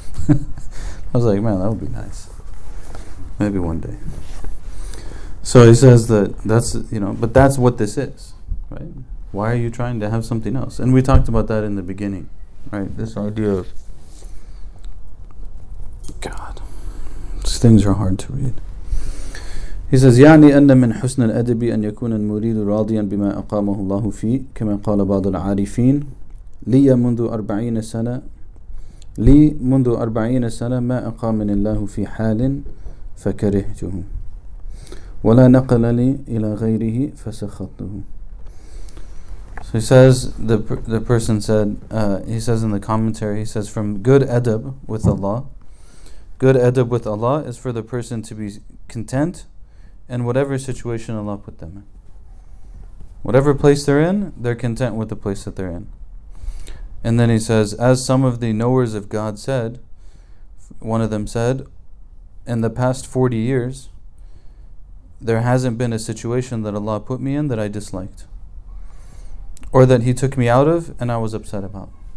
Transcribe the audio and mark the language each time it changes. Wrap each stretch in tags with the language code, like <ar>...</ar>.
<en>I was like, man, that would be nice. Maybe one day. So he says that's, you know, but that's what this is, right? Why are you trying to have something else? And we talked about that in the beginning, right? This idea of, God, these things are hard to read.</en> <ar>He says, يعني أن من حسن الأدب أن يكون المريد راضيا بما أقامه الله فيه كما قال بعض العارفين لي منذ 40 سنة لي منذ 40 سنة ما أقام من الله في حال فكرهته ولا نقل لي إلى غيره فسخطته.</ar> <en>So he says, the person said, he says in the commentary, he says, from good adab with Allah, good adab with Allah is for the person to be content in whatever situation Allah put them in. Whatever place they're in, they're content with the place that they're in. And then he says, as some of the knowers of God said, one of them said, in the past 40 years, there hasn't been a situation that Allah put me in that I disliked, or that he took me out of and I was upset about.</en>